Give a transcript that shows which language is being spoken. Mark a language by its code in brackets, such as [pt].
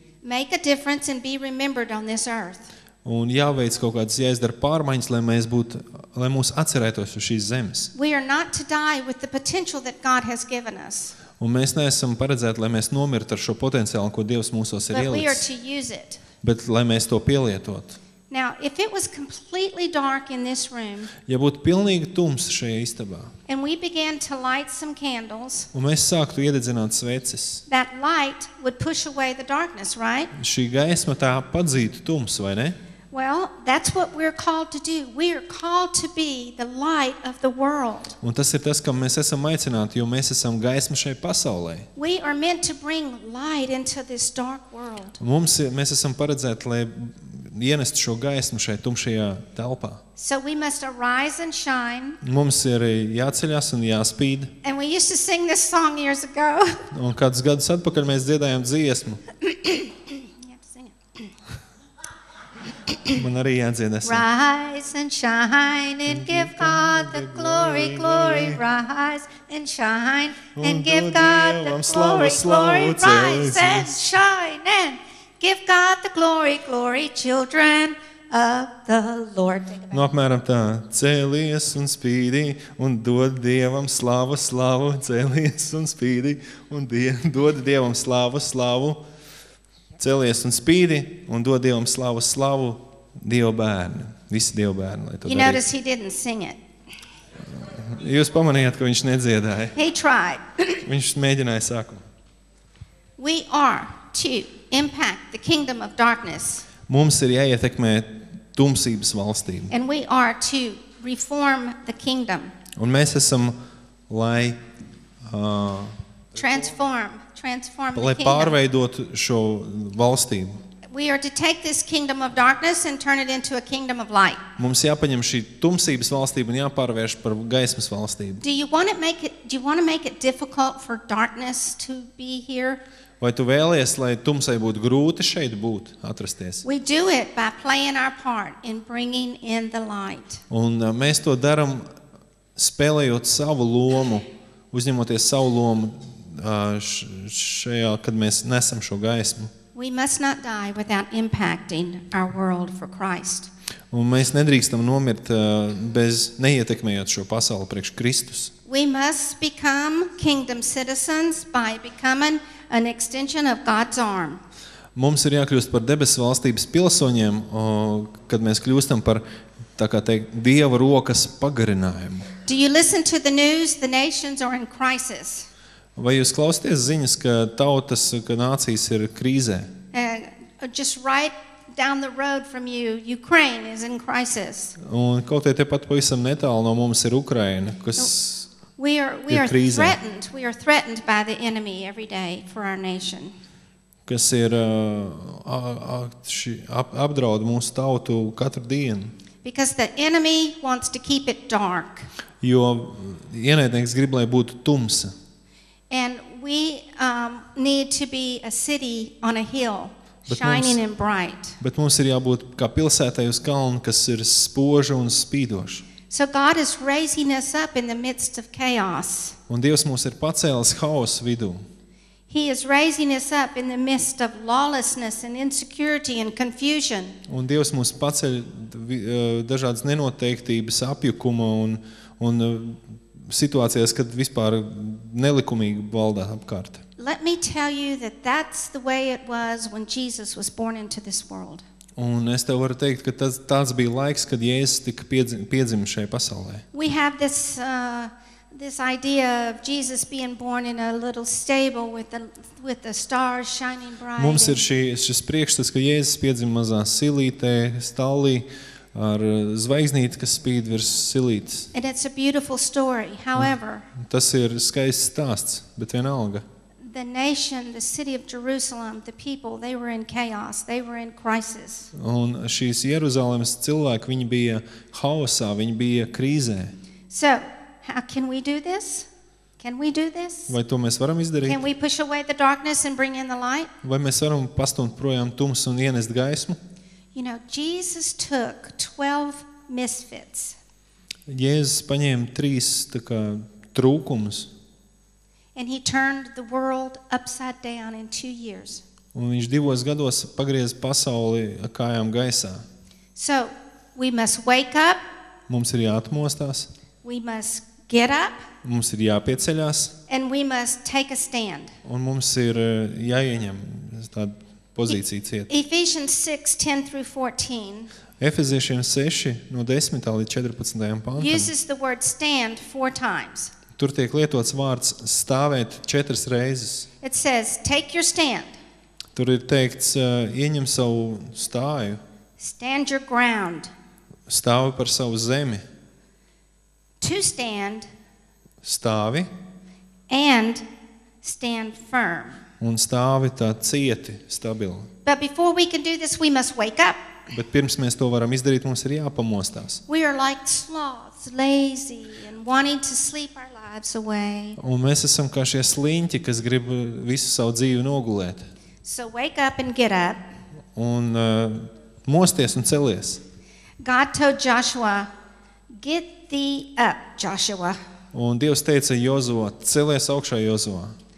[en] Make a difference and be remembered on this earth. [lv] Un jāveic kaut kādas jāizdara pārmaiņas, lai mēs būtu, lai mūs atcerētos uz šīs zemes. [en] We are not to die with the potential that God has given us. [lv] Un mēs neesam paredzēti, lai mēs nomirtu ar šo potenciālu, ko Dievs mūsos ir ielicis. [en] But we are to use it. [lv] Bet lai mēs to pielietotu. [en] Now, if it was completely dark in this room. [lv] Ja būtu pilnīgi tums šajā istabā. [en] And we began to light some candles. [lv] Un mēs sāktu iededzināt sveces. [en] That light would push away the darkness, right? [lv] Šī gaisma tā padzītu tums, vai ne? [en] Well, that's what we're called to do. We are called to be the light of the world. [lv] Un tas ir tas, kam mēs esam aicināti, jo mēs esam gaisma šai pasaulē. [en] We are meant to bring light into this dark world. [lv] Mums ir, mēs esam paredzēti, lai ienest šo gaismu šai tumšajā telpā. [en] So we must arise and shine. [lv] Mums ir jāceļas un jāspīd. [en] And we used to sing this song years ago. [lv] Un kāds gads atpakaļ mēs dziedājām dziesmu. Man arī jādziedas. [en] Rise and shine and give God the glory, glory. Rise and shine and give God the glory, glory. Rise and shine and give God the glory, glory. Children of the Lord. [lv] Nu, apmēram tā. Cēlies un spīdī un dod Dievam slavu, slavu. Cēlies un spīdī un dod Dievam slavu, slavu. Cēlies un spīdī un dod Dievam slavu, slavu. Dieva bērni, visi Dieva bērni, lai to darītu. [en] You notice he didn't sing it. [lv] Jūs pamanījāt, ka viņš nedziedāja. [en] He tried. [lv] Viņš mēģināja sākumu. [en] We are to impact the kingdom of darkness. [lv] Mums ir jāietekmē tumsības valstīm. [en] And we are to reform the kingdom. [lv] Un mēs esam, lai [en] transform [lv] lai pārveidotu šo valstību. [en] We are to take this kingdom of darkness and turn it into a kingdom of light. [lv] Mums jāpaņem šī tumsības valstība un jāpārvērš par gaismas valstību. [en] Do you want to make it difficult for darkness to be here? [lv] Vai tu vēlies, lai tumsai būtu grūti šeit būt, atrasties? [en] We do it by playing our part in bringing in the light. [lv] Un mēs to daram spēlējot savu lomu, uzņemoties savu lomu šajā, kad mēs nesam šo gaismu. [en] We must not die without impacting our world for Christ. [lv] Un mēs nedrīkstam nomirt bez neietekmējot šo pasauli priekš Kristus. [en] We must become kingdom citizens by becoming an extension of God's arm. [lv] Mums ir jākļūst par debesu valstības pilsoņiem, kad mēs kļūstam par, tā kā teikt, Dieva rokas pagarinājumu. [en] Do you listen to the news? The nations are in crisis. [lv] Vai jūs klausieties ziņas, ka tautas, ka nācijas ir krīzē? [en] Just right down the road from you, Ukraine is in crisis. [lv] Un kaut vai tepat pavisam netālu no mums ir Ukraina, kas ir krīzē. [en] We are threatened by the enemy every day for our nation. [lv] Kas ir apdraud mūsu tautu katru dienu. [en] Because the enemy wants to keep it dark. [lv] Jo ienaidnieks grib, lai būtu tumsa. [en] And we need to be a city on a hill, shining and bright. [lv] Bet mums ir jābūt kā pilsētai uz kalna, kas ir spoža un spīdoša. [en] So God is raising us up in the midst of chaos. [lv] Un Dievs mūs ir pacēlis haosa vidū. [en] He is raising us up in the midst of lawlessness and insecurity and confusion. [lv] Un Dievs mūs paceļ dažādas nenoteiktības apjukuma un situācijās, kad vispār nelikumīgi valdā apkārt. [en] Let me tell you that that's the way it was when Jesus was born into this world. [lv] Un es tev varu teikt, ka tāds bija laiks, kad Jēzus tika piedzima šai pasaulē. [en] We have this idea of Jesus being born in a little stable with the stars shining bright. [lv] Mums ir šis priekšstats, ka Jēzus piedzima mazā silītē, stallī, ar zvaigznīti, kas spīd virs silītes. [en] And it's a beautiful story. However, [lv] tas ir skaists stāsts, bet vienalga. [en] The nation, the city of Jerusalem, the people, they were in chaos, they were in crisis. [lv] Un šīs Jeruzalemes cilvēki, viņi bija haosā, viņi bija krīzē. [en] So, how can we do this? Can we do this? [lv] Vai to mēs varam izdarīt? [en] Can we push away the darkness and bring in the light? [lv] Vai mēs varam pastumt projām tumsu un ienest gaismu? [en] You know, Jesus took 12 misfits. [lv] Jēzus paņēma trīs tā kā trūkumus. [en] And he turned the world upside down in 2 years. [lv] Un viņš divos gados pagrieza pasauli kājām gaisā. [en] So, we must wake up. [lv] Mums ir jāatmostās. [en] We must get up. [lv] Mums ir jāpieceļās. [en] And we must take a stand. [lv] Un mums ir jāieņem tādu pozīciju ciet. [en] Ephesians 6:10-14. [lv] Efeziešiem 6 no 10. Līdz 14. Pantam. [en] Uses the word stand 4 times. [lv] Tur tiek lietots vārds stāvēt 4 reizes. [en] It says take your stand. [lv] Tur ir teikts ieņem savu stāju. [en] Stand your ground. [lv] Stāvi par savu zemi. [en] To stand. [lv] Stāvi. [en] And stand firm. [lv] Un stāvi tā cieti, stabili. [en] But before we can do this, we must wake up. [lv] Bet pirms mēs to varam izdarīt, mums ir jāpamostās. [en] We are like sloths, lazy and wanting to sleep our lives away. [lv] Un mēs esam kā šie sliņķi, kas grib visu savu dzīvi nogulēt. [en] So wake up and get up. [lv] Un mosties un celies. [en] God told Joshua, get thee up, Joshua. [lv] Un Dievs teica Jozuā, celies augšā, Jozuā.